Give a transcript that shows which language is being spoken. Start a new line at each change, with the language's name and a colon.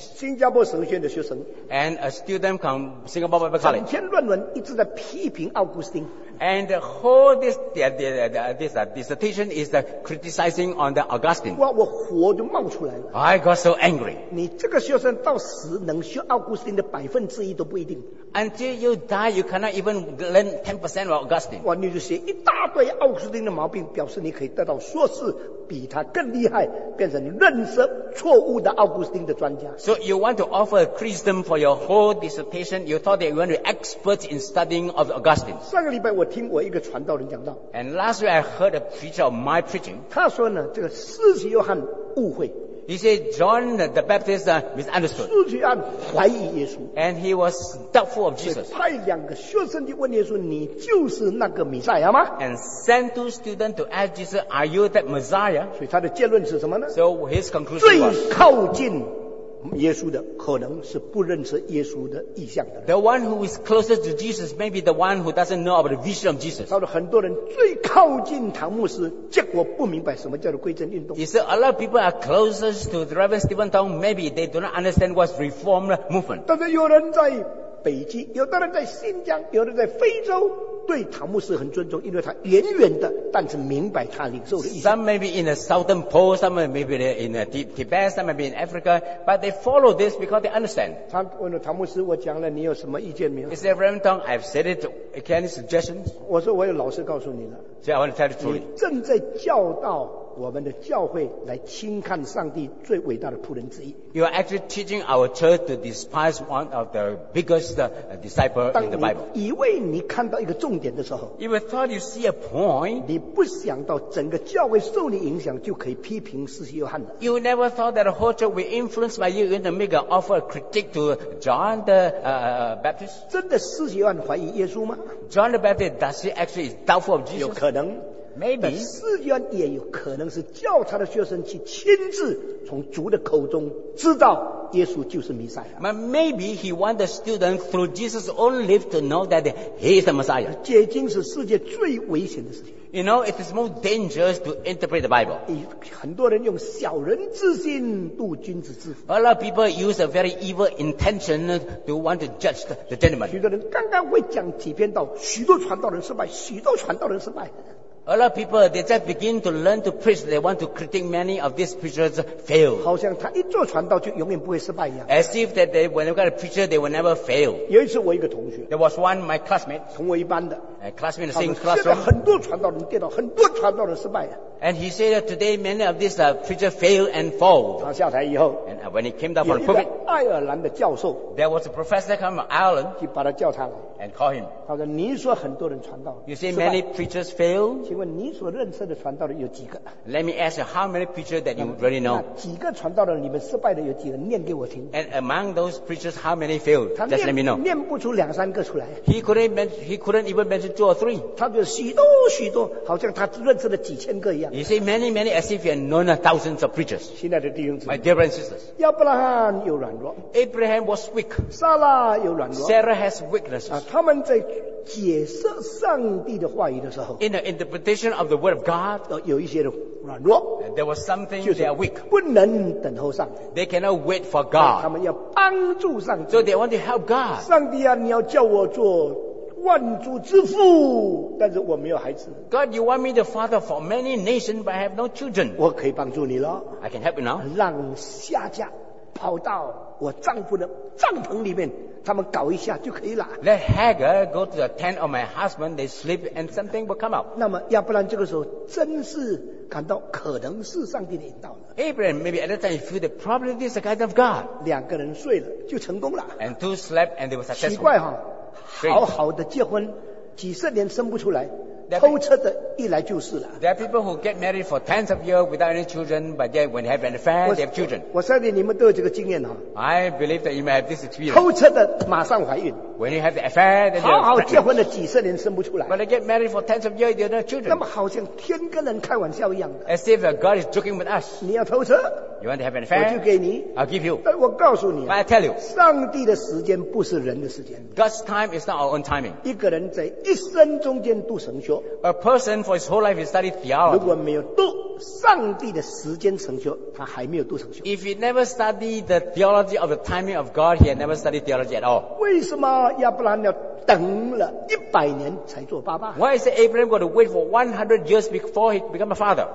Chinese: 新加坡神学院的学生。
English: And a student from Singapore Bible College.
Chinese: 整篇论文一直在批评奥古斯丁。
English: And whole this dissertation is the criticizing on the Augustine.
Chinese: 我火就冒出来了。
English: I got so angry.
Chinese: 你这个学生到死能学奥古斯丁的1%都不一定。
English: Until you die, you cannot even learn 10% of Augustine.
Chinese: 哇，你就写一大堆奥古斯丁的毛病，表示你可以得到硕士，比他更厉害，变成认识错误的奥古斯丁的专家。
English: So you want to offer a criticism for your whole dissertation? You thought that you want to be experts in studying of Augustine?
Chinese: 上个礼拜我听我一个传道人讲道。
English: And last week I heard a preacher of my preaching.
Chinese: 他说呢，这个施洗约翰误会。
English: He said John the Baptist misunderstood.
Chinese: 施洗约翰怀疑耶稣。
English: And he was doubtful of Jesus.
Chinese: 派两个学生去问耶稣，你就是那个弥赛亚吗？
English: And sent two students to ask Jesus, are you that Messiah?
Chinese: 所以他的结论是什么呢？
English: So his conclusion was,
Chinese: 最靠近耶稣的可能是不认识耶稣的意象的人。
English: The one who is closest to Jesus may be the one who doesn't know about the vision of Jesus.
Chinese: 到了很多人最靠近唐牧师，结果不明白什么叫做归正运动。
English: He said a lot of people are closest to the Reverend Stephen Tong, maybe they do not understand what's reform movement.
Chinese: 但是有人在北极，有的人在新疆，有人在非洲。对唐牧师很尊重，因为他远远的，但是明白他领受的意思。
English: Some may be in the southern pole, some may be in the Tibet, some may be in Africa, but they follow this because they understand.
Chinese: 他问了唐牧师，我讲了，你有什么意见没有？
English: He said, Reverend Tong, I've said it. Can you suggestion?
Chinese: 我说我有老实告诉你了。
English: So I want to tell you truly.
Chinese: 你正在教导我们的教会来轻看上帝最伟大的仆人之一。
English: You are actually teaching our church to despise one of the biggest disciples in the Bible.
Chinese: 当你以为你看到一个重点的时候，
English: you thought you see a point,
Chinese: 你不想到整个教会受你影响就可以批评施洗约翰的。
English: You never thought that the whole church will be influenced by you, you're going to make an offer a critique to John the Baptist.
Chinese: 真的施洗约翰怀疑耶稣吗？
English: John the Baptist, does he actually doubtful of Jesus?
Chinese: 有可能。
English: Maybe.
Chinese: 施洗约翰也有可能是叫他的学生去亲自从主的口中知道耶稣就是弥赛亚。
English: Maybe he want the student through Jesus' own lips to know that he is the Messiah.
Chinese: 解经是世界最危险的事情。
English: You know, it is more dangerous to interpret the Bible.
Chinese: 很多人用小人之心度君子之腹。
English: A lot of people use a very evil intention to want to judge the gentleman.
Chinese: 许多人刚刚会讲几篇道，许多传道人失败，许多传道人失败。
English: A lot of people, they just begin to learn to preach. They want to critique many of these preachers fail.
Chinese: 好像他一做传道就永远不会失败一样。
English: As if that they, when they got a preacher, they will never fail.
Chinese: 有一次我一个同学。
English: There was one, my classmate.
Chinese: 同我一班的。
English: Classmate in the same classroom.
Chinese: 现在很多传道人跌倒，很多传道人失败。
English: And he said that today many of these preachers fail and fall.
Chinese: 他下台以后。
English: And when he came down from the pulpit.
Chinese: 有一个爱尔兰的教授。
English: There was a professor come from Ireland.
Chinese: 就把他叫他来。
English: And call him.
Chinese: 他说你说很多人传道。
English: You say many preachers fail.
Chinese: 问你所认识的传道人有几个？
English: Let me ask you how many preachers that you really know.
Chinese: 几个传道人里面失败的有几个？念给我听。
English: And among those preachers, how many failed? Just let me know.
Chinese: 念不出两三个出来。
English: He couldn't even mention two or three.
Chinese: 他就许多许多，好像他认识了几千个一样。样。
English: You see many, many as if you have known thousands of preachers.
Chinese: 亲爱的弟兄姊妹。
English: My dear brothers and sisters.
Chinese: 亚伯拉罕有软弱。
English: Abraham was weak.
Chinese: 撒拉有软弱。
English: Sarah has weaknesses.
Chinese: 他们在解释上帝的话语的时候。
English: In the interpretation of the word of God.
Chinese: 有一些软弱。
English: There was something they are weak.
Chinese: 不能等候上帝。
English: They cannot wait for God.
Chinese: 他们要帮助上帝。
English: So they want to help God.
Chinese: 上帝啊，你要叫我做万族之父，但是我没有孩子。
English: God, you want me the father for many nations, but I have no children.
Chinese: 我可以帮助你了。
English: I can help you now.
Chinese: 让夏甲跑到我丈夫的帐篷里面，他们搞一下就可以了。
English: Let Hagar go to the tent of my husband. They sleep, and something will come out.
Chinese: 那么亚伯兰这个时候真是感到可能是上帝的引导了。
English: Abraham, maybe at that time you feel that probably this is the guide of God.
Chinese: 两个人睡了就成功了。
English: And two slept, and they were successful.
Chinese: 奇怪哈。好好的结婚几十年生不出来，偷车的一来就是了。
English: There are people who get married for tens of years without any children, but yet when they have an affair, they have children.
Chinese: 我相信你们都有这个经验哈。
English: I believe that you may have this experience.
Chinese: 偷车的马上怀孕。
English: When you have the affair, then you're pregnant.
Chinese: 好好结婚了几十年生不出来。
English: But they get married for tens of years, they have no children.
Chinese: 那么好像天跟人开玩笑一样的。
English: As if God is joking with us.
Chinese: 你要偷车。
English: You want to have an affair?
Chinese: 我就给你。
English: I'll give you.
Chinese: 我告诉你。
English: But I tell you.
Chinese: 上帝的时间不是人的时间。
English: God's time is not our own timing.
Chinese: 一个人在一生中间读神学。
English: A person for his whole life is studying theology.
Chinese: 如果没有读上帝的时间成就，他还没有读成就。
English: If he never studied the theology of the timing of God, he had never studied theology at all.
Chinese: 为什么亚伯兰要等了一百年才做爸爸？
English: Why is Abraham going to wait for 100 years before he become a father?